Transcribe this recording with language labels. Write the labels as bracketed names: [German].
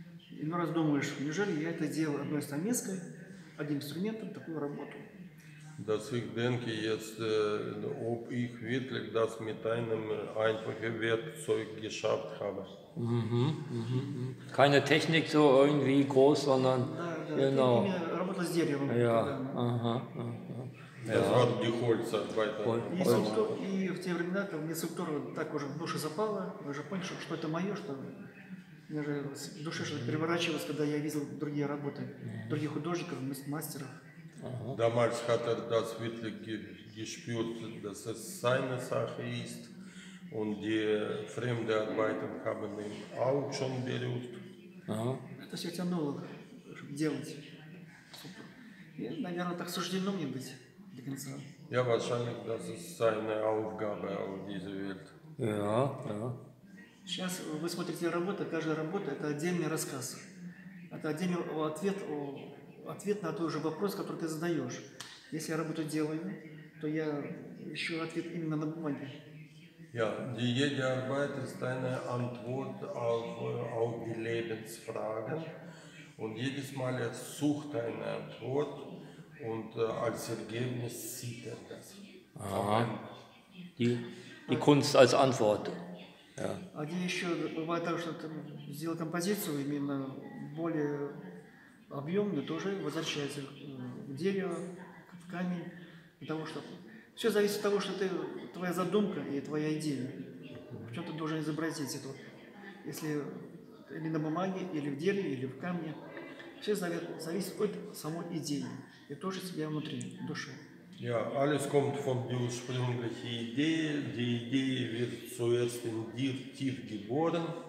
[Russian] И ну раз думаешь, неужели я это делал одной стамеской, одним инструментом такую работу? [German] Dass ich denke jetzt, ob ich wirklich das mit einem einfachen Werkzeug geschafft habe. Keine Technik so irgendwie groß, sondern genau. Ja. Das war die Holzarbeit. [Russian] И в те времена, когда мне скульптура так уже в душу запала, уже понял, что это мое, что мне же в душе что-то переворачивалось, когда я видел другие работы других художников, мастеров. [German] Damals hat er das wirklich gespürt, dass es seine Sache ist und die fremden Arbeiten haben ihn auch schon berührt. Das ist ja nur, ja, wahrscheinlich, das ist seine Aufgabe auf dieser Welt. Ja, ja. [Russian] Сейчас вы смотрите работу, каждая работа – это отдельный рассказ, это отдельный ответ о ответ на тот же вопрос, который ты задаешь. Если я работу делаю, то я ищу ответ именно на бумаге. [German] Ja, die jede Arbeit ist eine Antwort auf die Lebensfragen. Und jedes Mal er sucht eine Antwort und als Ergebnis sieht er das. Aha. Die Kunst als Antwort. Ja. [Russian] А где еще бывает так, что ты сделал композицию именно более объемный тоже возвращается в дерево, в камень, для того, чтобы... Все зависит от того, что ты, твоя задумка и твоя идея. В чем ты должен изобразить это? Если или на бумаге, или в дереве, или в камне. Все зависит от самой идеи и тоже себя внутри, души. [German] Ja, alles kommt von der ursprünglichen Idee. Die Idee wird zuerst in dir tief geboren.